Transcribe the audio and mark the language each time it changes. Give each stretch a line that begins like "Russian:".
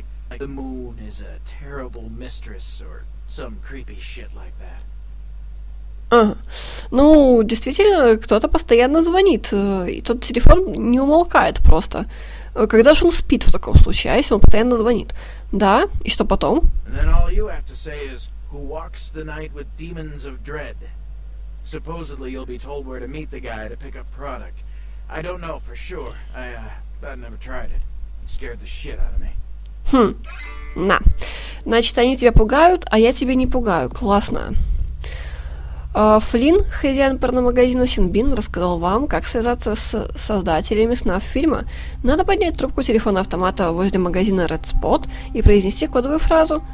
English: The moon is a terrible mistress or some creepy shit like that.
Russian: Ну, действительно, кто-то постоянно звонит, и тот телефон не умолкает просто. Когда же он спит в таком случае, а если он постоянно звонит? Да, и что потом?
English: And then all you have to say is, who walks the night with demons of dread? Supposedly you'll be told where to meet the guy to pick up product. I don't know for sure. I never tried it. It scared the shit out of me.
Russian: На. Значит, они тебя пугают, а я тебя не пугаю. Классно. Флинн, хозяин порномагазина Синбин, рассказал вам, как связаться с создателями снафф-фильма. Надо поднять трубку телефона-автомата возле магазина Red Spot и произнести кодовую фразу.